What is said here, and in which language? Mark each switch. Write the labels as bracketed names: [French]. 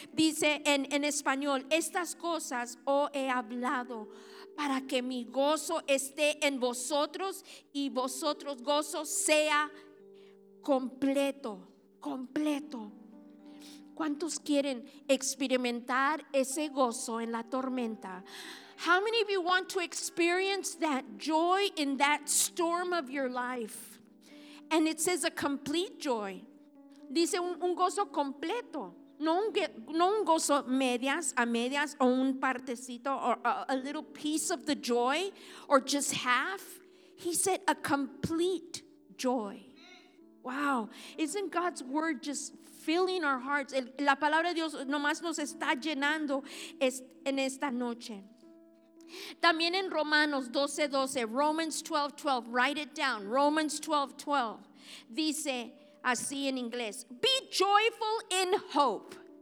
[Spanish] Dice en español, estas cosas he hablado para que mi gozo esté en vosotros y vosotros gozo sea completo. Completo. ¿Cuántos quieren experimentar ese gozo en la tormenta? [English] How many of you want to experience that joy in that storm of your life? And it says a complete joy. [Spanish] Dice un gozo completo. No un gozo medias, a medias, o un partecito, [English] or a little piece of the joy, or just half. He said a complete joy. Wow, isn't God's word just filling our hearts? [Spanish] La palabra de Dios nomás nos está llenando en esta noche. También en Romanos 12:12, [English] Romans 12:12, write it down. Romans 12:12 [Spanish] dice así en inglés, [English] be joyful in hope.